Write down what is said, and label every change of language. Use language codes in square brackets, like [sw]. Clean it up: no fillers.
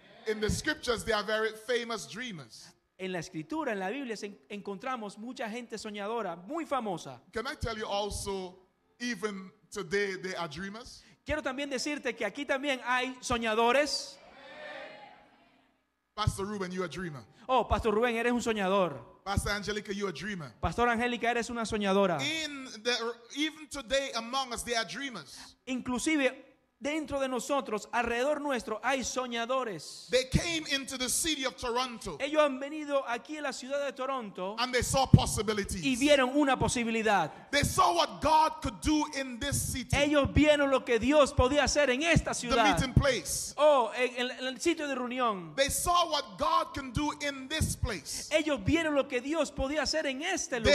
[en] In the scriptures, there are very famous dreamers. [es] En la escritura, en la Biblia, encontramos mucha gente soñadora, muy famosa. [en] Can I tell you also, even today, there are dreamers? [es] Quiero también decirte que aquí también hay soñadores. [en] Pastor Ruben, you're a dreamer. [es] Oh, Pastor Ruben, eres un soñador. [en] Pastor Angelica, you're a dreamer. [es] Pastor Angelica, eres una soñadora. [en] Even today among us, there are dreamers. [es] Inclusive, dentro de nosotros, alrededor nuestro, hay soñadores. [en] They came into the city of Toronto. [es] Ellos han venido aquí a la ciudad de Toronto. [en] And they saw possibilities. [es] Y vieron una posibilidad. [en] They saw what God could do in this city. [es] Ellos vieron lo que Dios podía hacer en esta ciudad. [en] The meeting place. [es] Oh, en el sitio de reunión. [en] They saw what God can do in this place. [es] Ellos vieron lo que Dios podía hacer en este lugar.